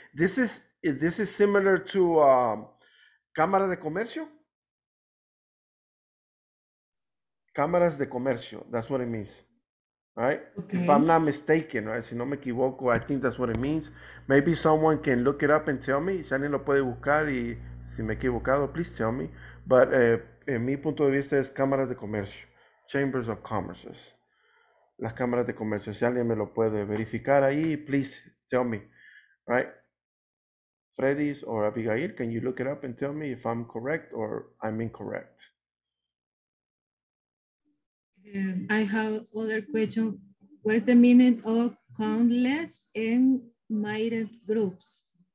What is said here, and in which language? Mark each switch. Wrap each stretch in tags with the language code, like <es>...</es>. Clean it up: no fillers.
<en>This is similar to Cámara de Comercio. Cámaras de Comercio, that's what it means, right? Okay. If I'm not mistaken, right?</en> <es>Si no me equivoco,</es> <en>I think that's what it means. Maybe someone can look it up and tell me.</en> <es>Si alguien lo puede buscar y si me he equivocado,</es> <en>please tell me. But</en> <es>en mi punto de vista es Cámaras de Comercio,</es> <en>Chambers of Commerce.</en> <es>Las cámaras de comercio, si alguien me lo puede verificar ahí,</es> <en>please tell me, right? Freddy's or Abigail, can you look it up and tell me if I'm correct or I'm incorrect? I have other question. What's the meaning of countless and mighty groups?</en>